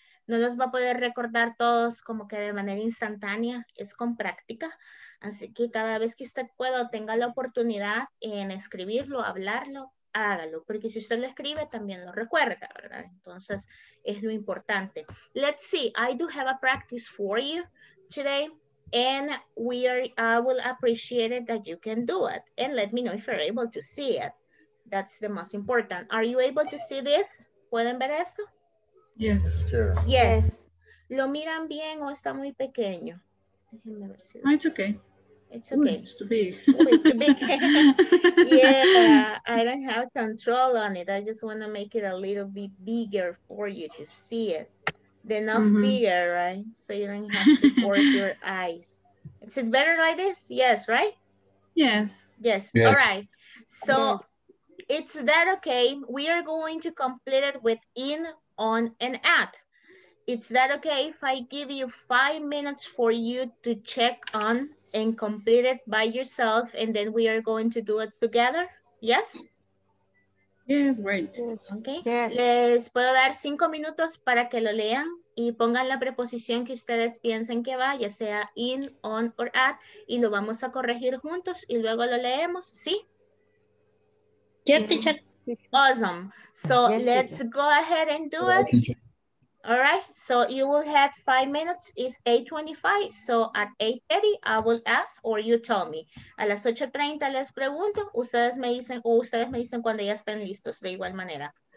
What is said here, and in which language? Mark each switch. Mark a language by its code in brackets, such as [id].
[es] No los va a poder recordar todos como que de manera instantánea, es con práctica. Así que cada vez que usted pueda o tenga la oportunidad en escribirlo, hablarlo, hágalo. Porque si usted lo escribe, también lo recuerda, ¿verdad? Entonces, es lo importante. [en] Let's see, I do have a practice for you today. And I will appreciate it that you can do it. And let me know if you're able to see it. That's the most important. Are you able to see this? [es] ¿Pueden ver esto? [en] Yes. [es] Yes. ¿Lo miran bien o está muy pequeño? Déjenme ver si... [en] Oh, it's okay. Ooh, it's too big. Yeah, I don't have control on it. I just want to make it a little bit bigger for you to see it. Enough bigger, right? So you don't have to force your eyes. Is it better like this? Yes, right? Yes. All right. So it's that okay? We are going to complete it within... on and at. Is that okay if I give you 5 minutes for you to check on and complete it by yourself and then we are going to do it together? Yes? Yes, right. Okay. Yes. [es] Les puedo dar 5 minutos para que lo lean y pongan la preposición que ustedes piensen que va, ya sea in, on, or at, y lo vamos a corregir juntos y luego lo leemos, ¿sí? [en] Yes, teacher. Awesome. So yes, let's go ahead and do it. All right. So you will have 5 minutes. It's 8:25. So at 8:30, I will ask or you tell me. [es] A las 8:30 les pregunto. Ustedes me dicen o ustedes me dicen cuando ya estén listos de igual manera.